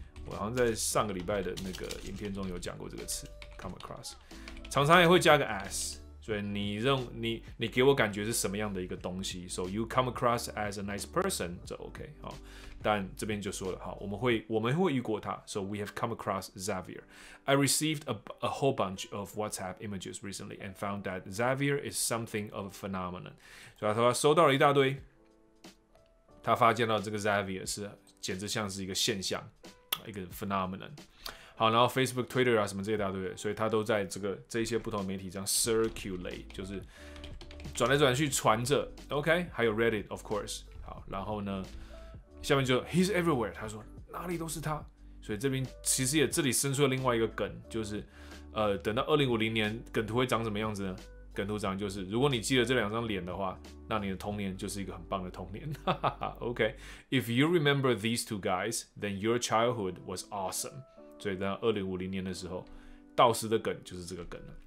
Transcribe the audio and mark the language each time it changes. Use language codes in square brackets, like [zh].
[zh] 我好像在上个礼拜的那个影片中有讲过这个词 [en] come across， [zh] 常常也会加个 as， 所以你给我感觉是什么样的一个东西。 [en] So you come across as a nice person， [zh] 这 [en] OK。 [zh] 好，但这边就说了，好，我们会遇过他。 [en] So we have come across Xavier. I received a whole bunch of WhatsApp images recently and found that Xavier is something of a phenomenon. [zh] 所以他收到了一大堆，他发现到这个 Xavier 是简直像是一个现象，一个 phenomenon。好，然后 Facebook、Twitter 啊什么这一大堆，所以他都在这些不同的媒体这样 circulate， 就是转来转去传着。 OK， 还有 [en] Reddit of course。 [zh] 好，然后呢？下面就 [en] he's everywhere， [zh] 他说哪里都是他，所以这边其实也这里生出了另外一个梗，就是等到2050年梗图会长什么样子呢？梗图长就是如果你记得这两张脸的话，那你的童年就是一个很棒的童年。 [en] OK， if you remember these two guys， then your childhood was awesome。 [zh] 所以等到2050年的时候，道士的梗就是这个梗了。